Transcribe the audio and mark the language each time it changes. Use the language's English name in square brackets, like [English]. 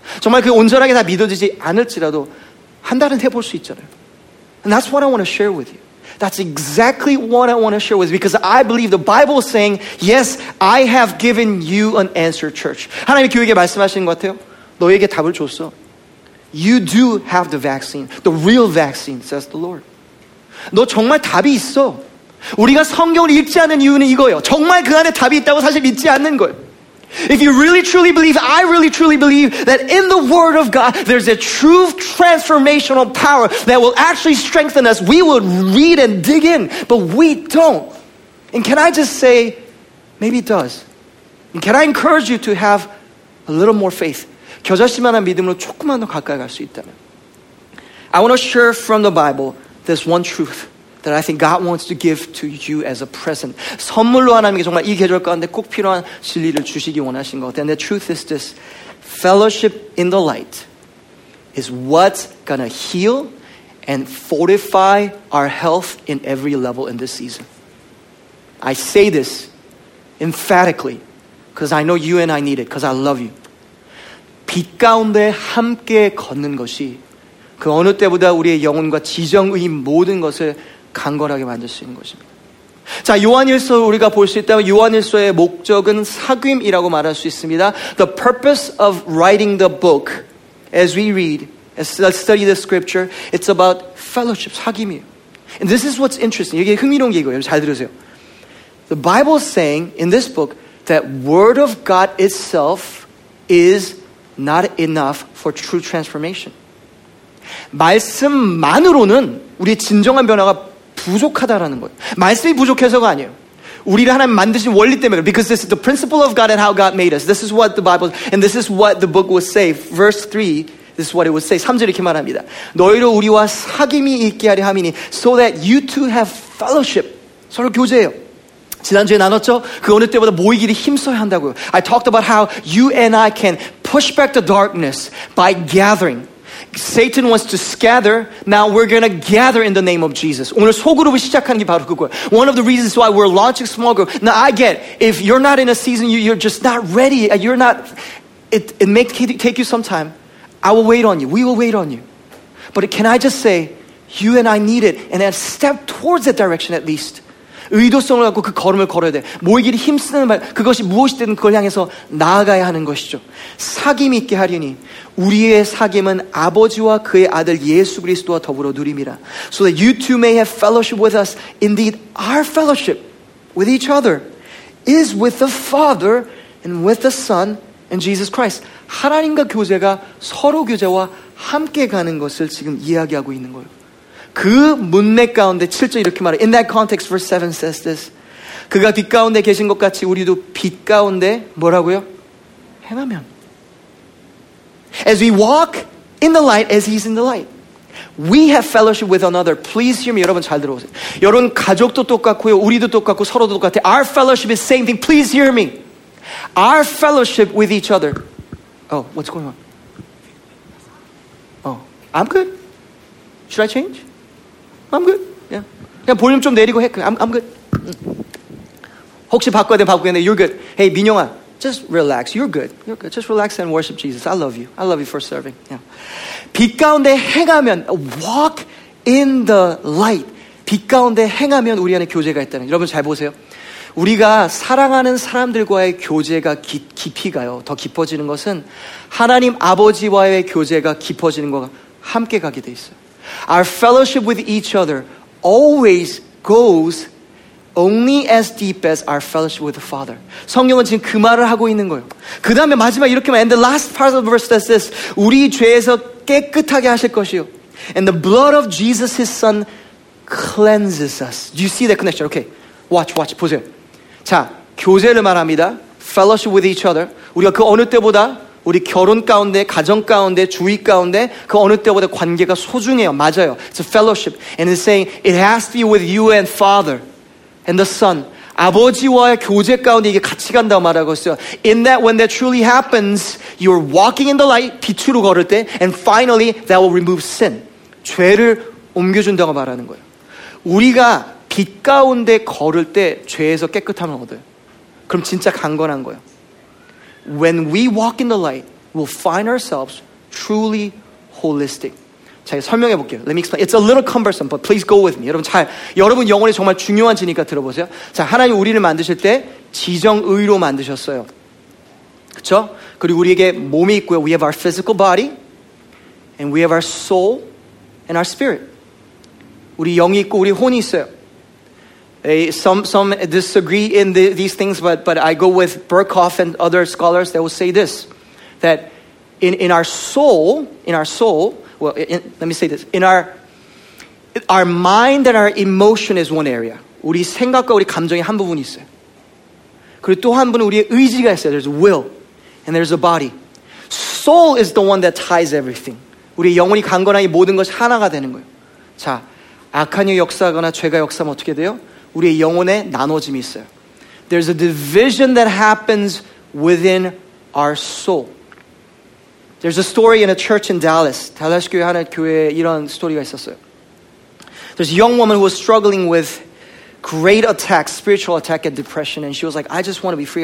[Korean] 정말 그 온전하게 다 믿어지지 않을지라도 한 달은 해볼 수 있잖아요. [English] And that's what I want to share with you. That's exactly what I want to share with you because I believe the Bible is saying, yes, I have given you an answer, church. [Korean] 하나님이 교회에게 말씀하시는 것 같아요. 너에게 답을 줬어. [English] You do have the vaccine, the real vaccine, says the Lord. [Korean] 너 정말 답이 있어. 우리가 성경을 읽지 않는 이유는 이거예요. 정말 그 안에 답이 있다고 사실 믿지 않는 거예요. [English] If you really truly believe, I really truly believe that in the word of God, there's a true transformational power that will actually strengthen us. We would read and dig in, but we don't. And can I just say, maybe it does. And can I encourage you to have a little more faith? [Korean] 겨자씨만한 믿음으로 조금만 더 가까이 갈 수 있다면. [English] I want to share from the Bible this one truth that I think God wants to give to you as a present. [Korean] 선물로 하나님께 정말 이 계절 가운데 꼭 필요한 진리를 주시기 원하신 것 같아요. [English] And the truth is this. Fellowship in the light is what's going to heal and fortify our health in every level in this season. I say this emphatically because I know you and I need it because I love you. [Korean] 빛 가운데 함께 걷는 것이 그 어느 때보다 우리의 영혼과 지정의 모든 것을 강건하게 만들 수 있는 것입니다. 자, 요한일서 우리가 볼 수 있다면 요한일서의 목적은 사귐이라고 말할 수 있습니다. [English] The purpose of writing the book, as we read, as we study the scripture, it's about fellowship, [Korean] 사귐이에요. [English] And this is what's interesting. [Korean] 이게 흥미로운 게 이거예요. 잘 들으세요. [English] The Bible is saying in this book that word of God itself is not enough for true transformation. [Korean] 말씀만으로는 우리의 진정한 변화가 부족하다라는 거예요. 말씀이 부족해서가 아니에요. 우리를 하나님 만드신 원리 때문에. [English] Because this is the principle of God and how God made us. This is what the Bible, and this is what the book will say. Verse 3, this is what it will say. [Korean] 3절 이렇게 말합니다. 너희로 우리와 사귐이 있게 하려 함이니 [English] so that you too have fellowship. [Korean] 서로 교제해요. 지난주에 나눴죠? 그 어느 때보다 모이기를 힘써야 한다고요. [English] I talked about how you and I can push back the darkness by gathering. Satan wants to scatter. Now we're going to gather in the name of Jesus. [Korean] 오늘 소그룹을 시작하는 게 바로 그거예요. [English] One of the reasons why we're launching small group. Now I get, if you're not in a season, you're just not ready. You're not, it may take you some time. I will wait on you. We will wait on you. But can I just say, you and I need it. And then step towards that direction at least. [Korean] 의도성을 갖고 그 걸음을 걸어야 돼. 모이기를 힘쓰는 말, 그것이 무엇이든 그걸 향해서 나아가야 하는 것이죠. 사귐이 있게 하려니 우리의 사귐은 아버지와 그의 아들 예수 그리스도와 더불어 누림이라. [English] So that you too may have fellowship with us. Indeed, our fellowship with each other is with the Father and with the Son and Jesus Christ. [Korean] 하나님과 교제가 서로 교제와 함께 가는 것을 지금 이야기하고 있는 거예요. 그 문맥 가운데 7절 이렇게 말해. [English] In that context, verse 7 says this. [Korean] 그가 빛 가운데 계신 것 같이 우리도 빛 가운데 뭐라고요? 행하면. [English] As we walk in the light, as he's in the light, we have fellowship with another. Please hear me. [Korean] 여러분 잘 들어보세요. 여러분 가족도 똑같고요. 우리도 똑같고 서로도 똑같아요. [English] Our fellowship is the same thing. Please hear me. Our fellowship with each other. Oh, what's going on? Oh, I'm good. Should I change? I'm good. Yeah. [Korean] 그냥 볼륨 좀 내리고 해. [English] I'm good. [Korean] 혹시 바꿔야 돼, 바꾸겠네. [English] You're good. Hey, 민영아. Just relax. You're good. You're good. Just relax and worship Jesus. I love you. I love you for serving. Yeah. [Korean] 빛 가운데 행하면, [English] walk in the light. [Korean] 빛 가운데 행하면 우리 안에 교제가 있다는. 여러분 잘 보세요. 우리가 사랑하는 사람들과의 교제가 깊이 가요. 더 깊어지는 것은 하나님 아버지와의 교제가 깊어지는 것과 함께 가게 돼 있어요. [English] Our fellowship with each other always goes only as deep as our fellowship with the Father. [Korean] 성경은 지금 그 말을 하고 있는 거예요. 그 다음에 마지막 이렇게만 [English] And the last part of the verse says this. [Korean] 우리 죄에서 깨끗하게 하실 것이요. [English] And the blood of Jesus, his son, cleanses us. Do you see that connection? Okay. Watch, watch. [Korean] 보세요. 자, 교제를 말합니다. [English] Fellowship with each other. [Korean] 우리가 그 어느 때보다 우리 결혼 가운데, 가정 가운데, 주위 가운데 그 어느 때보다 관계가 소중해요. 맞아요. [English] It's a fellowship. And it's saying it has to be with you and Father. And the Son, [Korean] 아버지와의 교제 가운데 이게 같이 간다고 말하고 있어요. [English] In that, when that truly happens, you're walking in the light, [Korean] 빛으로 걸을 때, [English] and finally, that will remove sin. [Korean] 죄를 옮겨준다고 말하는 거예요. 우리가 빛 가운데 걸을 때 죄에서 깨끗함을 얻어요. 그럼 진짜 강건한 거예요. [English] When we walk in the light, we'll find ourselves truly holistic. [Korean] 자, 설명해 볼게요. [English] Let me explain. It's a little cumbersome, but please go with me. [Korean] 여러분 잘, 여러분 영혼이 정말 중요한 지니까 들어보세요. 자, 하나님 우리를 만드실 때 지정의로 만드셨어요. 그쵸? 그리고 우리에게 몸이 있고요. [English] We have our physical body, and we have our soul, and our spirit. [Korean] 우리 영이 있고 우리 혼이 있어요. [English] Some disagree in these things, but I go with Burkhoff and other scholars that will say this, that in our mind and our emotion is one area. [Korean] 우리 생각과 우리 감정이 한 부분이 있어요. 그리고 또 한 분은 우리의 의지가 있어요. [English] There's a will and there's a body. Soul is the one that ties everything. [Korean] 우리 영혼이 강건하게 모든 것이 하나가 되는 거예요. 자, 악한이 역사하거나 죄가 역사하면 어떻게 돼요? 우리의 영혼에 나눠짐이 있어요. [English] There's a division that happens within our soul. There's a story in a church in Dallas. [Korean] 달라스 교회 하나 교회에 이런 스토리가 있었어요. [English] There's a young woman who was struggling with great attacks, spiritual attack and depression. And she was like, I just want to be free.